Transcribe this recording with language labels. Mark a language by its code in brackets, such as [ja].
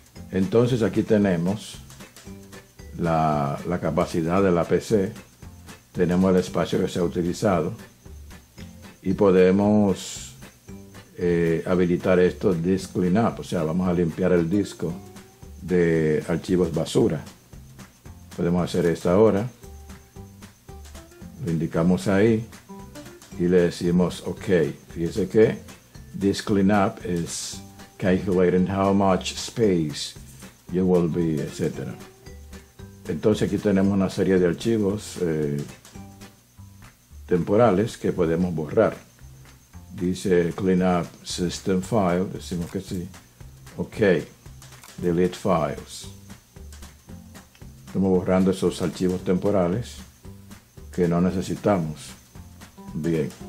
[es] Entonces aquí tenemos la capacidad de la PC, tenemos el espacio que se ha utilizado y podemos habilitar esto Disk Cleanup, o sea, vamos a limpiar el disco de archivos basura. Podemos hacer esto ahora. Lo indicamos ahí y le decimos OK. Fíjese que [en] this cleanup is calculating how much space you will be, etc. [es] Entonces aquí tenemos una serie de archivos temporales que podemos borrar. Dice cleanup system file, decimos que sí. OK, delete files. Estamos borrando esos archivos temporales que no necesitamos. Bien.